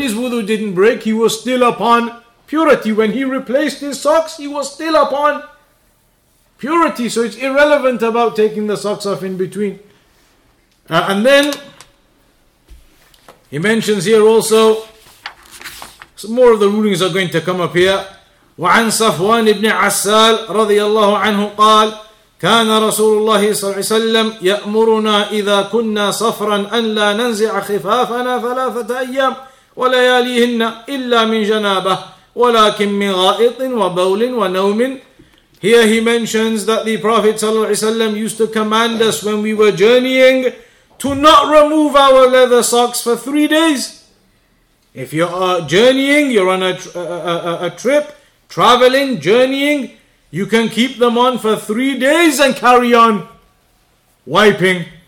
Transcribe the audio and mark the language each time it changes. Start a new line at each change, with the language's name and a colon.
English: His wudu didn't break. He was still upon purity. When he replaced his socks, he was still upon purity. So it's irrelevant about taking the socks off in between. And then he mentions here also, some more of the rulings are going to come up here.
Arabic: وعن صفوان بن عسال رضي الله عنه قال كان رسول الله صلى الله عليه وسلم يأمرنا إذا كنا صفرا أن لا ننزع خفافنا ثلاثة أيام ولياليهن إلا من جنابة ولكن من غائط وبول ونوم.
English: Here he mentions that the Prophet
Arabic: صلى الله عليه وسلم
English: used to command us when we were journeying to not remove our leather socks for 3 days. If you are journeying, you're on a trip, traveling, journeying, you can keep them on for 3 days and carry on wiping.